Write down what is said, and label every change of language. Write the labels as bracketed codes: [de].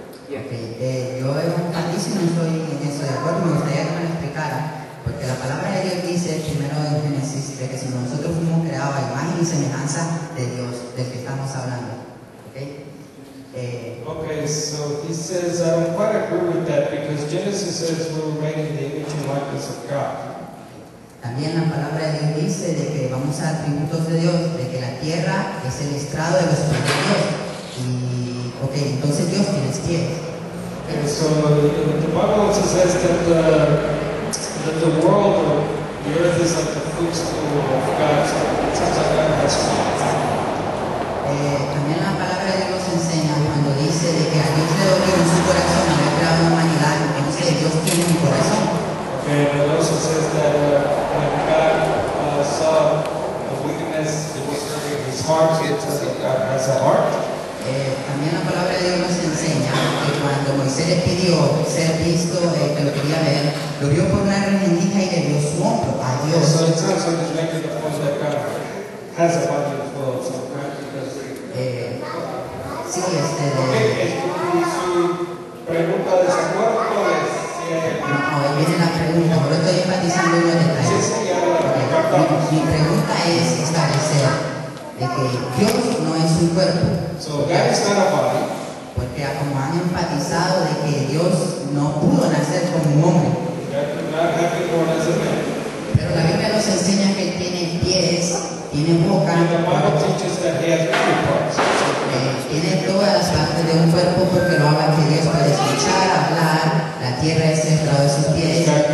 [es] Yeah. Okay, yo no estoy en eso de acuerdo, me gustaría que me lo explicara. Porque la palabra de Dios dice primero en Génesis que si nosotros fuimos creados a imagen y semejanza de Dios del que estamos hablando. Okay. Okay. [en] So he says I don't quite agree with that because Genesis says we were made in the image and likeness of God. [es] También la palabra de Dios dice de que vamos a atributos de Dios, de que la tierra es el estrado de los pies de Dios. Y okay, entonces Dios tiene pies. Okay. [en] So the Bible also says that that the world or the earth is like the footstool of God, so it's like God has feet. [es] También la palabra de Dios enseña cuando dice de que a Dios le dio en su corazón haber creado la humanidad, entonces Dios tiene un corazón. [en] Okay, but it also says that when God saw the wickedness, it was hurting his heart, it says that God has a heart. [es] También la palabra de Dios nos enseña que cuando Moisés le pidió ser visto, que lo quería ver, lo vio por una rendija y le dio su hombro a Dios. [en] So it sounds like it's making the point that God has a body of God, so because... sí, [es] okay, su pregunta de su cuerpo es... No, ahí viene la pregunta, pero estoy enfatizando en los detalles. Sí, sí, ya la mi pregunta es establecer de que Dios no es un cuerpo. [en] So God is not a body. [es] Porque como han enfatizado de que Dios no pudo nacer como un hombre. Pero la Biblia nos enseña que tiene pies, tiene boca. [en] The Bible teaches that he has many parts. [es] Tiene todas las partes de un cuerpo porque lo habla que Dios puede escuchar, hablar, la tierra es centrado de sus pies.